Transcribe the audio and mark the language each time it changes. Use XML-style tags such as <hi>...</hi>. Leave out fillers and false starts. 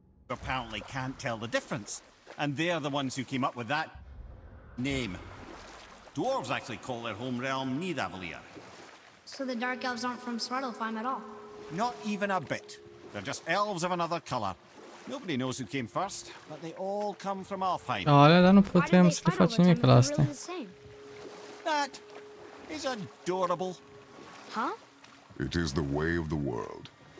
<en>Apparently can't tell the difference, and they're the ones who came up with that name. Dwarves actually call their home realm Nidavellir. So the dark elves aren't from Svartalfheim at all? Not even a bit. They're just elves of another color. Nobody knows who came first, but they all come from Alfheim.</en> <ro>Oh, alea, dar nu putem să le facem nimic la astea.</ro> <en>That is adorable. Huh? It is the way of the world.</en>